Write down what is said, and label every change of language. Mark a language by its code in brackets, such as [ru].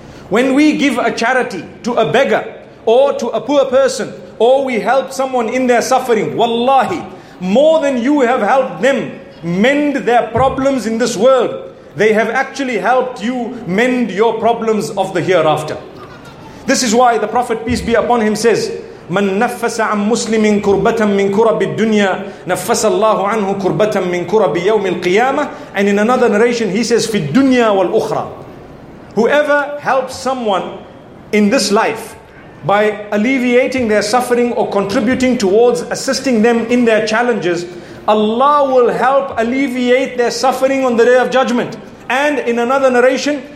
[en] When we give a charity to a beggar or to a poor person, or we help someone in their suffering, wallahi, more than you have helped them mend their problems in this world, they have actually helped you mend your problems of the hereafter. This is why the Prophet, peace be upon him, says, [ar] مَنْ نَفَّسَ عَمْ مُسْلِمٍ كُرْبَةً مِنْ كُرَبِ الدُّنْيَا نَفَّسَ اللَّهُ عَنْهُ كُرْبَةً مِنْ كُرَبِ يَوْمِ الْقِيَامَةِ. [en] And in another narration, he says, [ar] فِي الدُّنْيَا وَالْأُخْرَى. [en] Whoever helps someone in this life by alleviating their suffering or contributing towards assisting them in their challenges, Allah will help alleviate their suffering on the day of judgment. And in another narration,